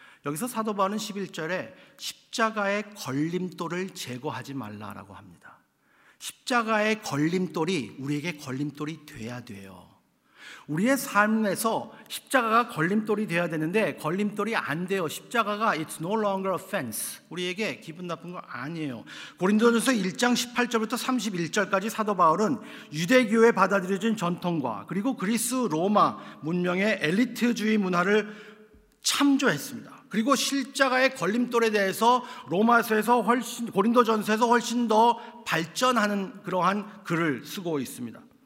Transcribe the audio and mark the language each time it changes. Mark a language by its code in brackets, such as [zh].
[ko] 여기서 사도 바울은 11절에 십자가의 걸림돌을 제거하지 말라라고 합니다. 십자가의 걸림돌이 우리에게 걸림돌이 돼야 돼요. 우리의 삶에서 십자가가 걸림돌이 돼야 되는데 걸림돌이 안 돼요. 십자가가 [en] it's no longer offense. [ko] 우리에게 기분 나쁜 거 아니에요. 고린도전서 1장 18절부터 31절까지 사도 바울은 유대교에 받아들여진 전통과 그리고 그리스 로마 문명의 엘리트주의 문화를 참조했습니다. 그리고 십자가의 걸림돌에 대해서 로마서에서 훨씬 고린도전서에서 훨씬 더 발전하는 그러한 글을 쓰고 있습니다.